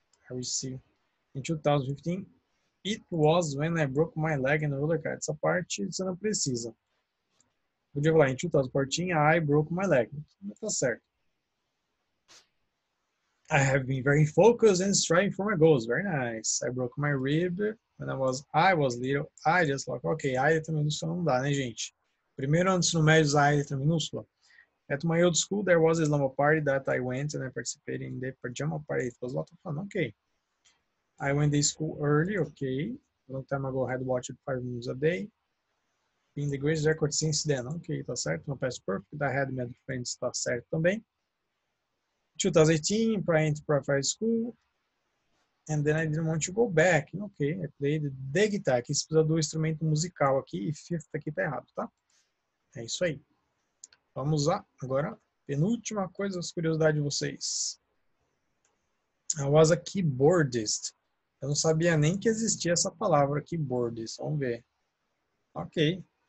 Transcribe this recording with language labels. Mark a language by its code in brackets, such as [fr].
[en] I received, in 2015, it was when I broke my leg in the roller coaster. [pt] Essa parte você não precisa. Podia falar, em 2014, [en] I broke my leg. [pt] Não tá certo. [en] I have been very focused and striving for my goals. Very nice. I broke my rib when I was little. I just like, ok, I [pt] letra minúscula não dá, né, gente? Primeiro antes no médio, I letra minúscula. [en] At my old school, there was a slumber party that I went and I participated in the pajama party. It was a lot of fun, ok. I went to school early, okay. Long time ago, I had watched 5 minutes a day. Been the greatest record since then, okay. [pt] Tá certo, no past perfect. [en] I had met friends, [pt] tá certo também. [en] 2018, praying to prefer school. And then I didn't want to go back, okay. I played the guitar. [pt] Aqui, você precisa do instrumento musical aqui. E fifth aqui tá errado, tá? É isso aí. Vamos lá, agora, penúltima coisa, as curiosidades de vocês. [en] I was a keyboardist. [pt] Eu não sabia nem que existia essa palavra, keyboardist. Vamos ver. Ok.